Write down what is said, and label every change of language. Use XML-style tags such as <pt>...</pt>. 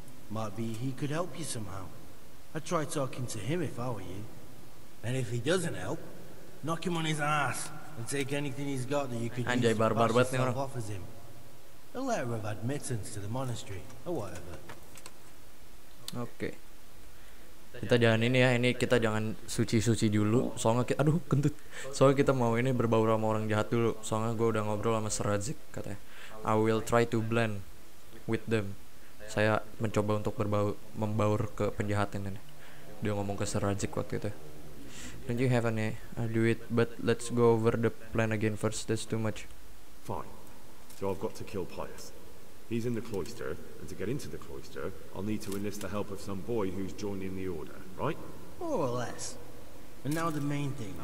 <en>Might be he could help you somehow. I'd try talking to him if I were you. And if he doesn't help, knock him on his ass and take anything he's got that you could</en> <id>Anjay,</id> <en>use to</en> <id>barbar</id> <en>pass yourself off as him. A letter of admittance to the monastery, or whatever. Okay.</en> <id>Kita jangan ini ya, ini kita jangan suci-suci dulu. Soalnya kita, aduh kentut. Soalnya kita mau ini berbaur sama orang jahat dulu. Soalnya gue udah ngobrol sama Radzig katanya.</id> <en>I will try to blend with them.</en> <id>Saya mencoba untuk membaur ke penjahat ini. Dia ngomong ke Radzig waktu itu.</id> <en>Don't you have any? I'll do it, but let's go over the plan again first. That's too much. Fine. So I've got to kill Pius. He's in the cloister, and to get into the cloister, I'll need to enlist the help of some boy who's joining the order, right? More or less. And now the main thing.</en>